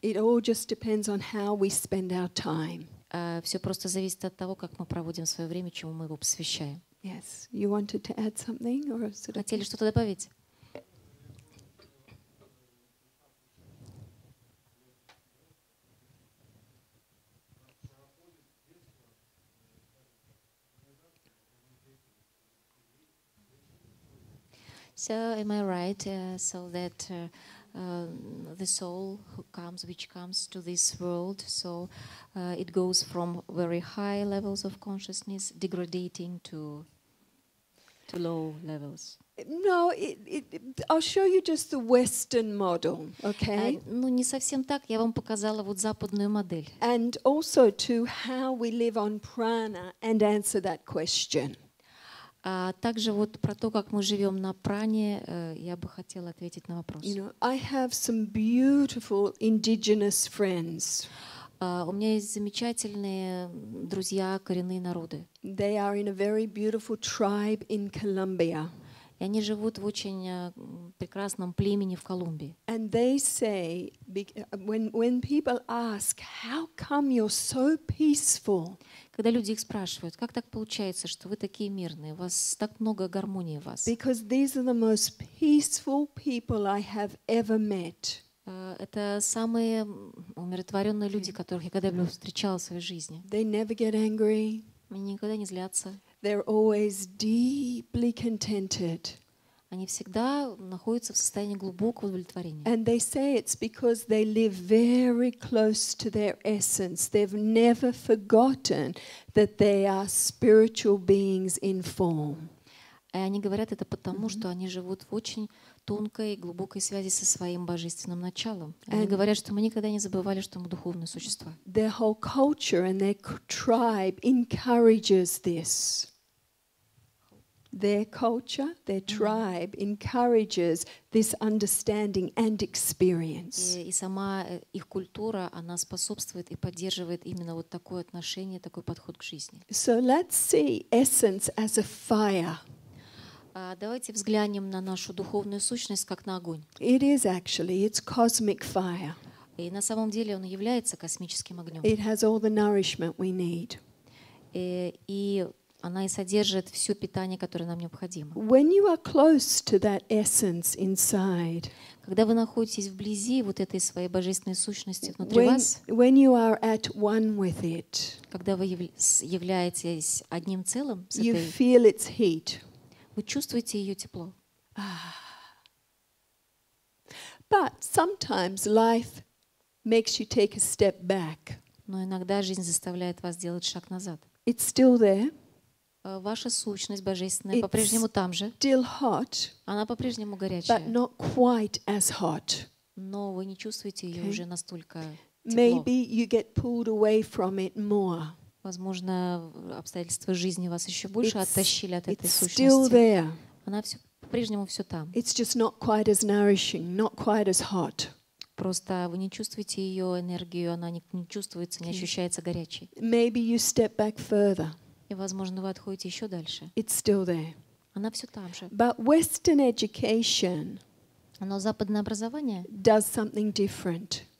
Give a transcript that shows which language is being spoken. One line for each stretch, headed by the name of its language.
English: It all just depends on how we spend our time.
Russian: Все просто зависит от того, как мы проводим свое время, чему мы его посвящаем.
English: Yes. You wanted to add something or sort of...
Russian: Хотели что-то добавить?
English: So am I right? So that the soul who comes, which comes to this world, so it goes from very high levels of consciousness, degrading to low levels. No, I'll show you just the Western model, okay?
Russian: Ну не совсем так. Я вам показала вот западную модель.
English: And also to how we live on prana and answer that question.
Russian: А также вот про то, как мы живем на пране, я бы хотела ответить на вопрос.
English: You know, I have some beautiful indigenous friends.
Russian: У меня есть замечательные друзья, коренные народы.
English: They are in a very beautiful tribe in Colombia.
Russian: И они живут в очень прекрасном племени в Колумбии.
English: And they say, when people ask, how come you're so peaceful?
Russian: Когда люди их спрашивают, как так получается, что вы такие мирные, у вас так много гармонии в вас?
English: Because these are the most peaceful people I have ever met.
Russian: Это самые умиротворенные люди, которых я когда-либо встречала в своей жизни.
English: They never get angry.
Russian: Они никогда не злятся.
English: They're always deeply contented.
Russian: Они всегда находятся в состоянии глубокого удовлетворения.
English: And they say it's because they live very close to their essence. They've never forgotten that they are spiritual beings in form.
Russian: И они говорят это потому, что они живут в очень тонкой, глубокой связи со своим божественным началом. Они говорят, что мы никогда не забывали, что мы духовные существа.
English: Their whole culture and their tribe encourages this. Their culture, their tribe encourages this understanding and experience.
Russian: И сама их культура, она способствует и поддерживает именно вот такое отношение, такой подход к жизни.
English: So let's see essence as a fire.
Russian: Давайте взглянем на нашу духовную сущность как на огонь.
English: It is actually, it's cosmic fire.
Russian: И на самом деле он является космическим огнем.
English: It has all the nourishment we need.
Russian: И она и содержит все питание, которое нам необходимо.
English: When you are close to that essence inside,
Russian: когда вы находитесь вблизи вот этой своей божественной сущности внутри
English: when,
Russian: вас,
English: when you are at one with it,
Russian: когда вы являетесь одним целым с
English: you
Russian: этой,
English: feel its heat.
Russian: Вы чувствуете ее тепло.
English: But sometimes life makes you take a step back.
Russian: Но иногда жизнь заставляет вас делать шаг назад.
English: It's still there.
Russian: Ваша сущность божественная
English: It's
Russian: по-прежнему там же.
English: Still hot,
Russian: она по-прежнему горячая.
English: But not quite as hot.
Russian: Но вы не чувствуете ее okay. уже настолько тепло.
English: Maybe you get pulled away from it more.
Russian: Возможно, обстоятельства жизни вас еще больше
English: it's,
Russian: оттащили от этой сущности.
English: Still there.
Russian: Она все, по-прежнему все там.
English: It's just not quite as nourishing, not quite as hot.
Russian: Просто вы не чувствуете ее энергию, она не чувствуется, не ощущается горячей.
English: Maybe you step back further.
Russian: И, возможно, вы отходите еще дальше.
English: It's still there.
Russian: Она все там же.
English: But Western education
Russian: Но западное образование
English: does something different.